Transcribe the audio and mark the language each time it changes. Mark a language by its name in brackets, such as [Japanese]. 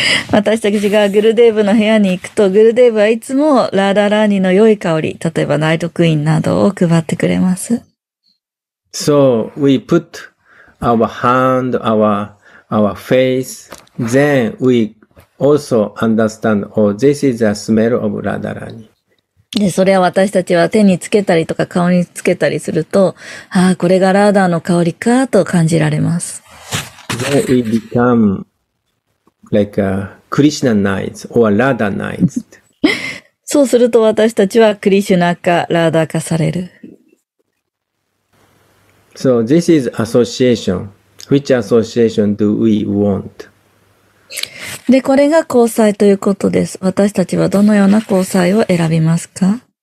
[Japanese] 私たちがグルデーヴの部屋に行くと、グルデーヴはいつもラーダラーニの良い香り、例えばナイトクイーンなどを配ってくれます。 [English] So we put our hand, our face, then we. Also understand, oh, this is the smell of Radharani. [Japanese] で、それは私たちは手につけたりとか顔につけたりすると、ああ、これがラーダーの香りかと感じられます。 [English] Then we become like a Krishna knights or Radha knights. [Japanese] そうすると私たちはクリシュナかラーダー化される。 [English] So this is association. Which association do we want? [Japanese] で、これが交際ということです。私たちはどのような交際を選びますか?